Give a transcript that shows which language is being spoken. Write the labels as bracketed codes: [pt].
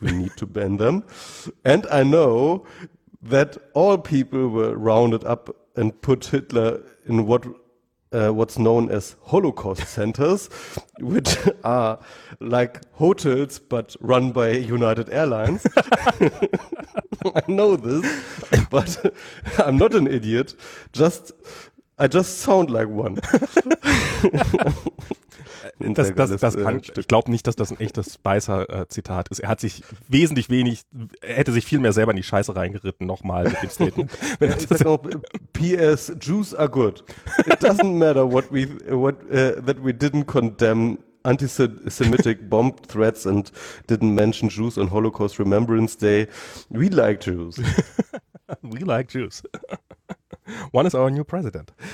[en] We need to ban them. And I know that all people were rounded up and put Hitler in what's known as Holocaust centers, which are like hotels but run by United Airlines. I know this, but I'm not an idiot. I just sound like one. [de] Das kann, ich glaube nicht, dass das ein echtes Spicer Zitat ist. Er hat sich wesentlich wenig, er hätte sich viel mehr selber in die Scheiße reingeritten, nochmal mit dem Statement. Ich sag auch, P.S. [en] Jews are good. It doesn't matter that we didn't condemn anti-Semitic bomb threats and didn't mention Jews on Holocaust Remembrance Day. We like Jews. We like Jews. One is our new president.